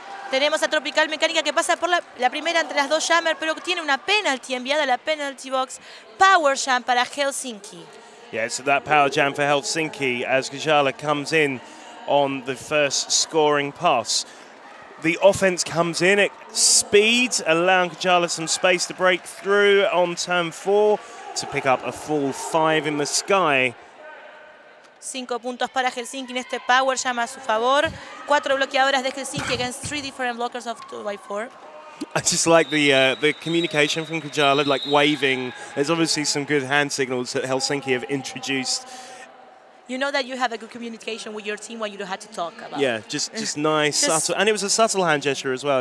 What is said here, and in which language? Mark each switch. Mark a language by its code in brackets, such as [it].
[es] Tenemos a Tropical Mechanica que pasa por la primera entre las dos jammers, pero tiene una penalty enviada a la penalty box. Power jam para Helsinki. [en] Yeah, so that power jam for Helsinki as Kujala comes in on the first scoring pass. The offense comes in at speed, allowing Kujala some space to break through on turn four to pick up a full five in the sky. [es] 5 puntos para Helsinki en este power jam a su favor. 4 bloqueadoras de Helsinki [en] against 3 different blockers of 2x4. I just like the communication from Kujala, like waving. There's obviously some good hand signals that Helsinki have introduced. You know that you have a good communication with your team when you don't have to talk about. Yeah, just nice, just subtle. And it was a subtle hand gesture as well.